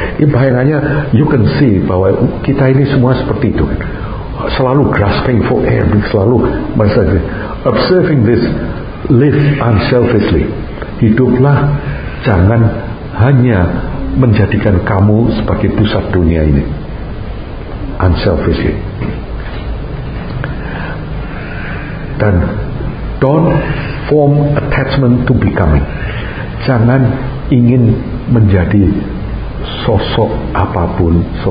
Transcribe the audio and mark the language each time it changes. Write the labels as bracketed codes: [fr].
[id] Ini bayangannya, [en] you can see [id] bahwa kita ini semua seperti itu, selalu [en] grasping for air, [id] selalu merasa. [en] Observing this, live unselfishly. [id] Hiduplah, jangan hanya menjadikan kamu sebagai pusat dunia ini. [en] Unselfishly. Dan don't form attachment to becoming. [id] Jangan ingin menjadi sosok apapun.